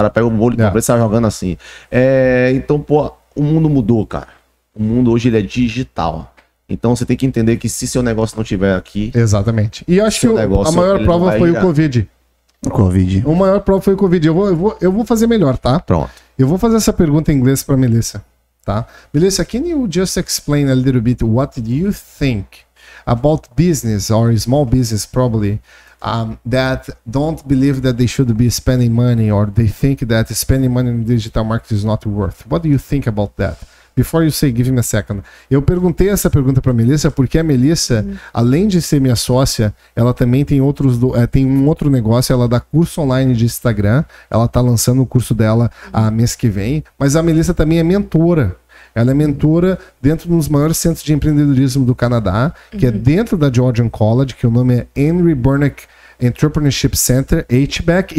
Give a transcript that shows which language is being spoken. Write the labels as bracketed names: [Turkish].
[Portuguese] Para, pega o bolo e panfleto e sai jogando assim. Então, pô, o mundo mudou, cara. O mundo hoje, ele é digital. Então, você tem que entender que se seu negócio não estiver aqui... Exatamente. E acho que a maior prova foi o Covid. O maior prova foi o Covid. Eu vou fazer melhor, tá? Pronto. Eu vou fazer essa pergunta em inglês pra Melissa, tá? [English] Melissa, can you just explain a little bit what do you think about business or small business probably that don't believe that they should be spending money or they think that spending money in digital marketing is not worth? What do you think about that? Before you say, give me a second. [Portuguese] Eu perguntei essa pergunta para a Melissa porque a Melissa, além de ser minha sócia, ela também tem um outro negócio. Ela dá curso online de Instagram. Ela está lançando o curso dela mês que vem. Mas a Melissa também é mentora. Ela é mentora dentro dos maiores centros de empreendedorismo do Canadá, que é dentro da Georgian College, que o nome é Henry Burnick Entrepreneurship Center, HBEC.